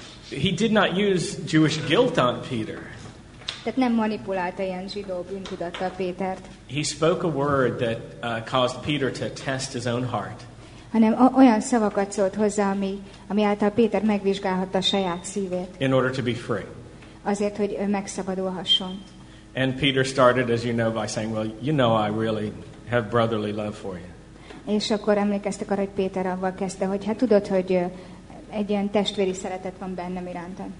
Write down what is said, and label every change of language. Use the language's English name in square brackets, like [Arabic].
[English] He did not use Jewish guilt on Peter. [Hungarian] Tehát nem manipulálta ilyen zsidó bűntudatta Pétert. [English] He spoke a word that caused Peter to test his own heart. [Hungarian] Hanem olyan szavakat szólt hozzá, ami által Péter megvizsgálhatta saját szívét. [English] In order to be free. [Hungarian] Azért, hogy ő megszabadulhasson. [English] And Peter started, as you know, by saying, "Well, you know, I really have brotherly love for you." [Hungarian] És akkor emlékeztek arra, hogy Péter avval kezdte, hogy hát tudod, hogy egy ilyen testvéri szeretet van bennem irántad.